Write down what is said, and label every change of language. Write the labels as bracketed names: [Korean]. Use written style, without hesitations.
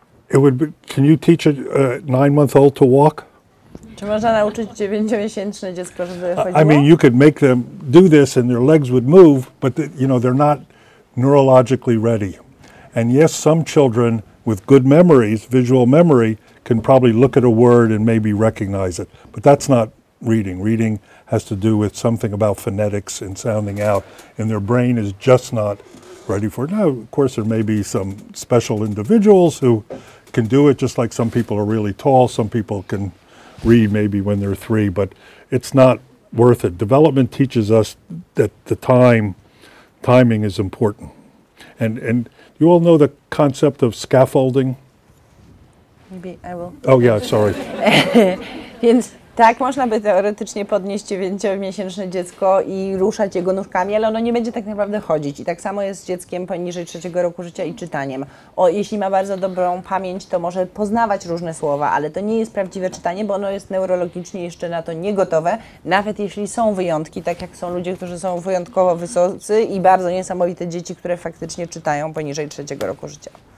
[English] It would be, can you teach a 9-month-old to walk? [Polish] Czy można nauczyć 9-miesięczne dziecko, żeby chodziło? [English] I mean, you could make them do this and their legs would move, but you know, they're not neurologically ready. And yes, some children with good memories, visual memory, can probably look at a word and maybe recognize it. But that's not reading. Reading has to do with something about phonetics and sounding out, and their brain is just not ready for it. Now, of course, there may be some special individuals who can do it, just like some people are really tall, some people can read maybe when they're three, but it's not worth it. Development teaches us that the timing is important. And you all know the concept of scaffolding? Maybe I will. Oh yeah, sorry. [Polish] Więc tak, można by teoretycznie podnieść 9-miesięczne dziecko i ruszać jego nóżkami, ale ono nie będzie tak naprawdę chodzić. I tak samo jest z dzieckiem poniżej 3 roku życia i czytaniem. O, jeśli ma bardzo dobrą pamięć, to może poznawać różne słowa, ale to nie jest prawdziwe czytanie, bo ono jest neurologicznie jeszcze na to niegotowe, nawet jeśli są wyjątki, tak jak są ludzie, którzy są wyjątkowo wysocy i bardzo niesamowite dzieci, które faktycznie czytają poniżej 3 roku życia.